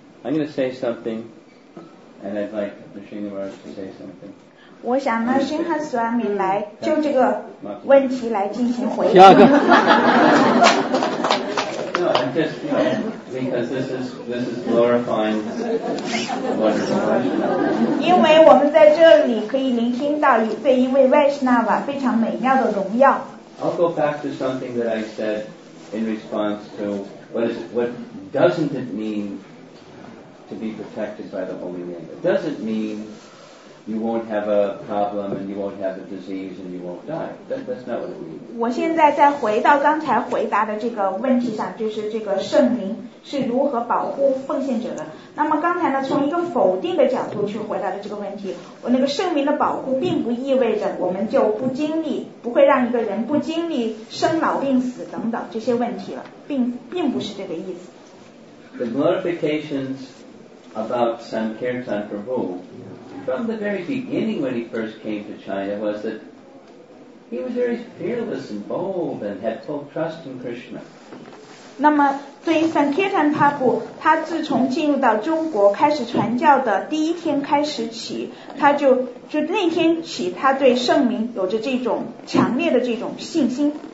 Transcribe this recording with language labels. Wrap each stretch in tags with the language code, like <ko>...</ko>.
<en>I'm going to say something, and I'd like the Srinivas to say something.</en> <zh>我想让辛哈斯瓦米来就这个问题来进行回答。下个。</zh> <en>No, I'm just, you know, because this is glorifying wonderful.</en> <zh>因为我们在这里可以聆听到这一位 Vaishnava 非常美妙的荣耀。</zh> <en>I'll go back to something that I said in response to what doesn't it mean to be protected by the Holy Name? It doesn't mean. You won't have a problem, and you won't have a disease, and you won't die. That's not what it means.</en> <zh>我现在再回到刚才回答的这个问题上，就是这个圣灵是如何保护奉献者的。那么刚才呢，从一个否定的角度去回答的这个问题，我那个圣灵的保护并不意味着我们就不经历，不会让一个人不经历生老病死等等这些问题了，并不是这个意思。</zh> <en>The glorifications about Sankirtan Prabhu. From the very beginning when he first came to China was that he was very fearless and bold and had full trust in Krishna.</en> <zh>那么对于 Sankirtan Prabhu, 他自从进入到中国开始传教的第一天开始起他就那天起他对圣名有着这种强烈的这种信心。</zh>